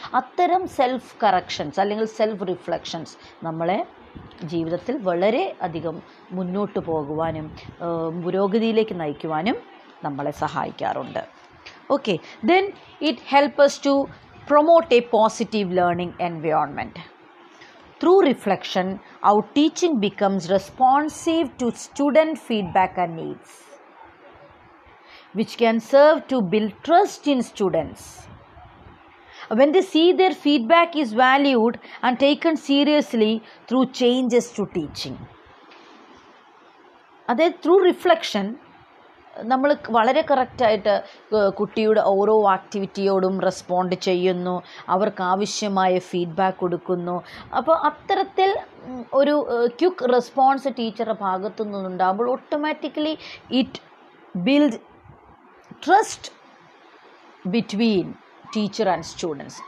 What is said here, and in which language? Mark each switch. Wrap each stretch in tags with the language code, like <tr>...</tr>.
<ml>അത്തരം self corrections അല്ലെങ്കിൽ self reflections നമ്മളെ ജീവിതത്തിൽ വളരെ അധികം മുന്നോട്ട് പോകുവാനും പുരോഗതിയിലേക്ക് നയിക്കുവാനും നമ്മളെ സഹായിക്കാറുണ്ട്.</ml> <en>Okay, then it help us to promote a positive learning environment. Through reflection, our teaching becomes responsive to student feedback and needs, which can serve to build trust in students. When they see their feedback is valued and taken seriously through changes to teaching.</en> <ml>അതായത് through reflection നമ്മൾ വളരെ കറക്റ്റായിട്ട് കുട്ടിയുടെ ഓരോ ആക്ടിവിറ്റിയോടും respond ചെയ്യുന്നു, അവർക്കാവശ്യമായ feedback കൊടുക്കുന്നു. അപ്പോൾ അത്തരത്തിൽ ഒരു ക്യുക്ക് റെസ്പോൺസ് ടീച്ചറുടെ ഭാഗത്തു നിന്നുണ്ടാകുമ്പോൾ automatically</ml> <en>It build trust between teacher and students.</en>